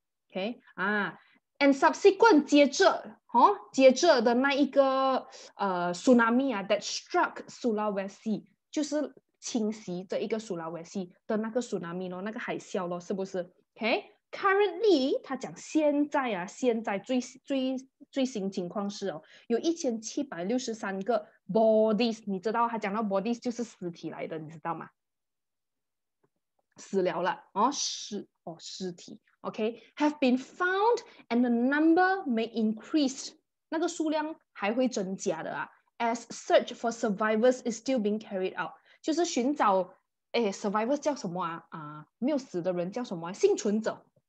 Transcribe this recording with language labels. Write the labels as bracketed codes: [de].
[zh] OK， 啊 , [en] and subsequent [zh] 接着的那一个tsunami 啊 , [en] that struck Sulawesi, [zh] 就是侵袭这一个 Sulawesi 的那个 tsunami 咯，那个海啸咯，是不是 ?OK? [en] Currently, [zh] 他讲现在啊，现在最新情况是哦，有1763个 bodies， 你知道他讲到 bodies 就是尸体来的，你知道吗？死了了，尸体 [en] ，OK, have been found and the number may increase， [zh] 那个数量还会增加的啊 [en] ，as search for survivors is still being carried out， [zh] 就是寻找，哎 [en] ，survivors [zh] 叫什么啊？啊，没有死的人叫什么、啊？幸存者。